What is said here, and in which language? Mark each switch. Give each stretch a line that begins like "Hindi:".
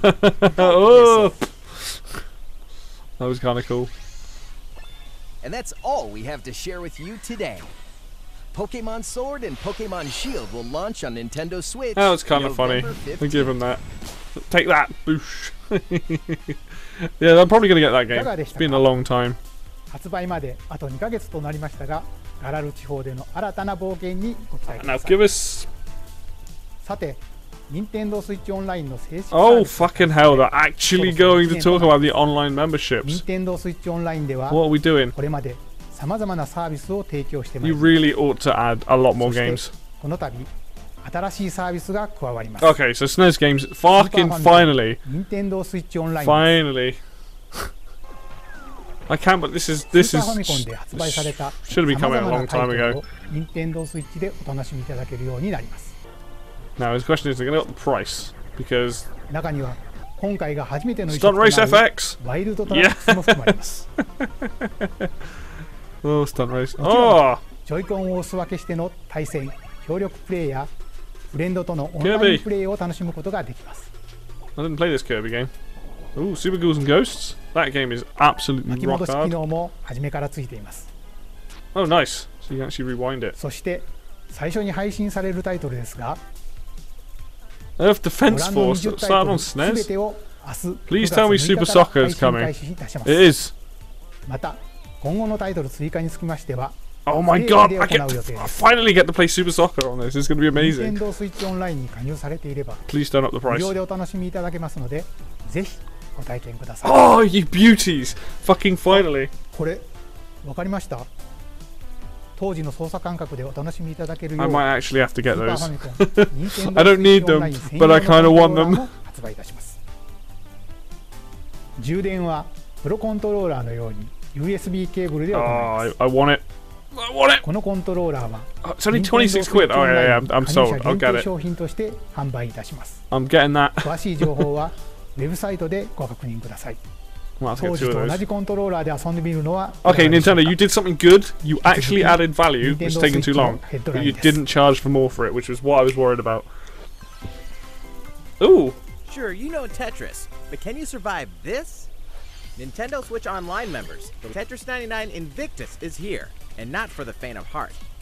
English: That was kind of cool. And that's all we have to share with you today. Pokemon Sword and Pokemon Shield will launch on Nintendo Switch. That was kind of funny. I give him that. Take that, boosh. Yeah, I'm probably going to get that game. It's been a long time.
Japanese: 発売まであと2ヶ月となりましたが、ガラル地方での新たな冒険にご期待ください。
English: Now give us.
Japanese: さて、Nintendo Switch Online の正式サービス。
English: Oh fucking hell! They're actually going to talk about the online memberships.
Japanese: Nintendo Switch Online では、
English: What are we doing?
Japanese: これまで様々なサービスを提供してまいりました。
English: You really ought to add a lot more games.
Japanese: この度、新しいサービスが加わります。
English: Okay, so SNES games, fucking finally. Nintendo Switch Online. Finally. I can't, but this is should have been coming out a long time ago.
Japanese: Nintendo Switch でお楽しみいただけるようになります。
English: Now his question is, they're going to up the price because
Japanese: 中には今回が初めての Stunt Race FX ワイルドトラックスも含まれます。
English: Oh, Stunt Race.
Japanese: ジョイコンを押す分けしての対戦、協力プレイやフレンドとのオンラインプレイを楽しむことができます。
English: I didn't play this Kirby game. Ooh, Super Ghouls and Ghosts? That game is absolutely rock hard. Oh, nice. So you can actually rewind it.
Japanese: そして最初に配信されるタイトルですが、
English: Earth Defense Force, started on SNES? Please tell me Super Soccer is coming. It is.
Japanese: また今後のタイトル追加につきましては、
English: Oh my god, I finally get to play Super Soccer on this. It's going to be amazing.
Japanese: Nintendo Switch Online に加入されていれば、
English: Please turn up the price.
Japanese: 無料でお楽しみいただけますので、ぜひ。
English: Oh, you beauties! Fucking finally!
Japanese: これ、わかりました。当時の操作感覚でお楽しみいただけるよう、
English: I might actually have to get those. I don't need them, but I kind of want them.
Japanese: 発売いたします。充電はプロコントローラーのように USB ケーブルで行います。
English: I want it!
Japanese: このコントローラーは、
English: It's only 26 quid! Oh, yeah, I'm sold. I'll get it.
Japanese: 商品として販売いたします。
English: I'm getting that.
Japanese: 詳しい情報は、ウェブサイトでご確認ください。当時と同じコントローラーで遊んでみるのは、
English: Okay, Nintendo, you did something good. You actually added value, which is taking too long. But you didn't charge for more for it, which was what I was worried about. Ooh. Sure, you know Tetris, but can you survive this? Nintendo Switch Online members, Tetris 99 Invictus is here, and not for the faint of heart.